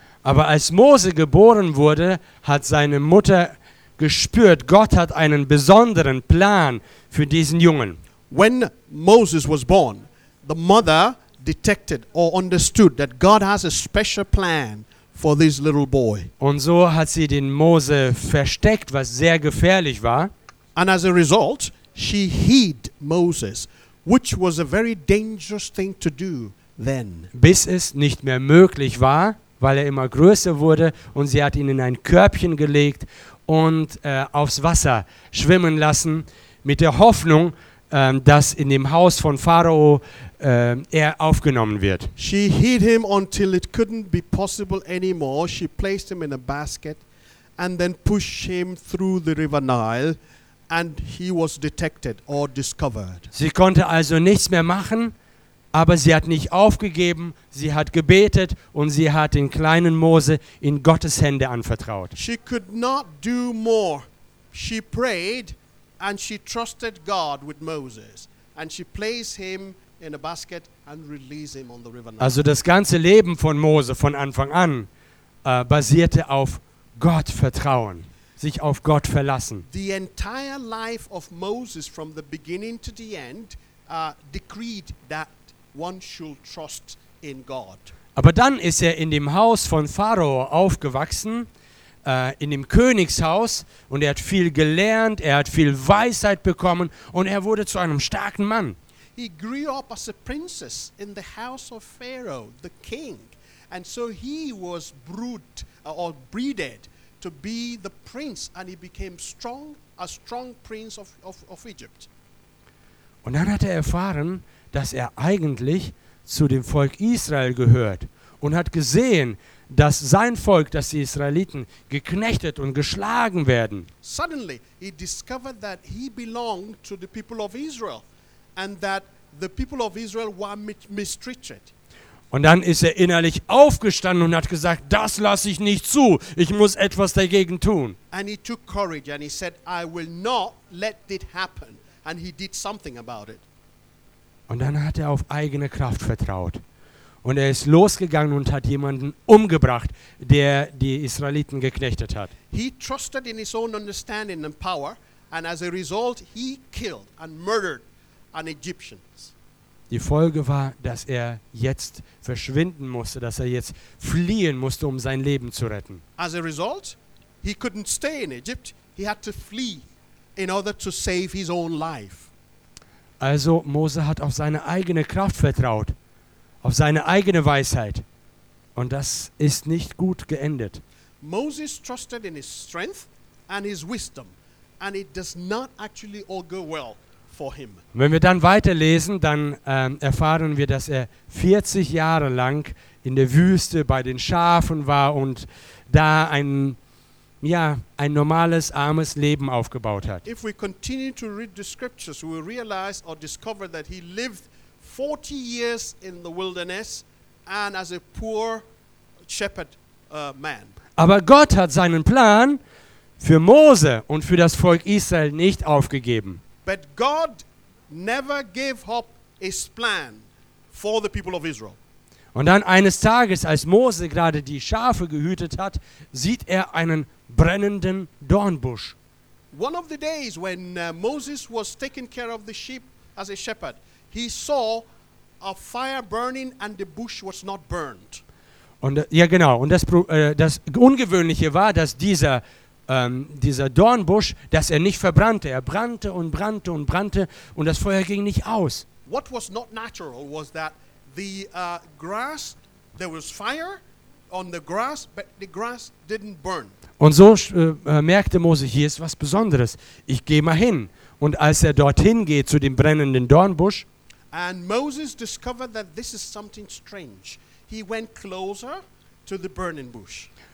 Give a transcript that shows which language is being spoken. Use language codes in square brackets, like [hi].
[de] Aber als Mose geboren wurde, hat seine Mutter gespürt, Gott hat einen besonderen Plan für diesen Jungen. [en] When Moses was born, the mother detected or understood that God has a special plan for this little boy. [de] Und so hat sie den Mose versteckt, was sehr gefährlich war. [en] And as a result, she hid Moses, which was a very dangerous thing to do then. [de] Bis es nicht mehr möglich war, weil er immer größer wurde und sie hat ihn in ein Körbchen gelegt und aufs Wasser schwimmen lassen, mit der Hoffnung, dass in dem Haus von Pharao er aufgenommen wird. [en] She hid him until it couldn't be possible anymore. She placed him in a basket and then pushed him through the River Nile. And he was detected or discovered. [de] Sie konnte also nichts mehr machen, aber sie hat nicht aufgegeben. Sie hat gebetet und sie hat den kleinen Mose in Gottes Hände anvertraut. [en] She could not do more. She prayed and she trusted God with Moses and she placed him in a basket and release him on the river Nile. [de] Also das ganze Leben von Mose von Anfang an basierte auf Gott vertrauen, sich auf Gott verlassen. [en] The entire life of Moses from the beginning to the end decreed that one should trust in God. [de] Aber dann ist er in dem Haus von Pharao aufgewachsen, in dem Königshaus, und er hat viel gelernt, er hat viel Weisheit bekommen und er wurde zu einem starken Mann. [en] He grew up as a princess in the house of Pharaoh, the king, and so he was bred to be the prince, and he became a strong prince of Egypt. [de] Und dann hat er erfahren, dass er eigentlich zu dem Volk Israel gehört und hat gesehen, dass sein Volk, dass die Israeliten, geknechtet und geschlagen werden. [en] Suddenly he discovered that he belonged to the people of Israel and that the people of Israel were mistreated. [de] Und dann ist er innerlich aufgestanden und hat gesagt, das lasse ich nicht zu. Ich muss etwas dagegen tun. [en] And he took courage and he said, I will not let it happen. And he did something about it. [de] Und dann hat er auf eigene Kraft vertraut. Und er ist losgegangen und hat jemanden umgebracht, der die Israeliten geknechtet hat. [en] He trusted in his own understanding and power, and as a result, he killed and murdered an Egyptian. [de] Die Folge war, dass er jetzt verschwinden musste, dass er jetzt fliehen musste, um sein Leben zu retten. [en] As a result, he couldn't stay in Egypt. He had to flee in order to save his own life. [de] Also Mose hat auf seine eigene Kraft vertraut, auf seine eigene Weisheit. Und das ist nicht gut geendet. [en] Moses trusted in his strength and his wisdom. And it does not actually all go well for him. [de] Wenn wir dann weiterlesen, dann erfahren wir, dass er 40 Jahre lang in der Wüste bei den Schafen war und da ein normales, armes Leben aufgebaut hat. [en] If we continue to read the scriptures, we will realize or discover that he lived 40 years in the wilderness and as a poor shepherd man. [de] Aber Gott hat seinen Plan für Mose und für das Volk Israel nicht aufgegeben. [en] But God never gave up his plan for the people of Israel. [de] Und dann eines Tages, als Mose gerade die Schafe gehütet hat, sieht er einen brennenden Dornbusch. [en] One of the days when Moses was taking care of the sheep as a shepherd, he saw a fire burning and the bush was not burned. [de] Und und das Ungewöhnliche war, dass dieser Dornbusch, dass er nicht verbrannte. Er brannte und brannte und brannte und das Feuer ging nicht aus. What was not natural was that the grass, there was fire on the grass, but the grass didn't burn. Und so merkte Mose, hier ist was Besonderes. Ich gehe mal hin. Und als er dorthin geht zu dem brennenden Dornbusch, [en] and Moses discovered that this is something strange. He went closer to the burning bush.